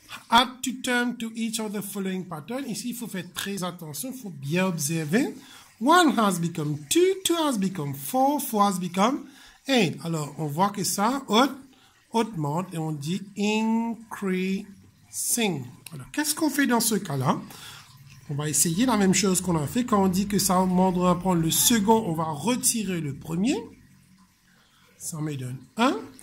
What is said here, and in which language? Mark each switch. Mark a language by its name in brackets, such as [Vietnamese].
[English] Add two terms to each of the following pattern. [French] Ici, il faut faire très attention, il faut bien observer. [English] One has become two, two has become four, four has become eight. [French] Alors, on voit que ça augmente et on dit increasing. Alors, qu'est-ce qu'on fait dans ce cas-là? On va essayer la même chose qu'on a fait. Quand on dit que ça augmente, on va prendre le second, on va retirer le premier. Ça me donne un.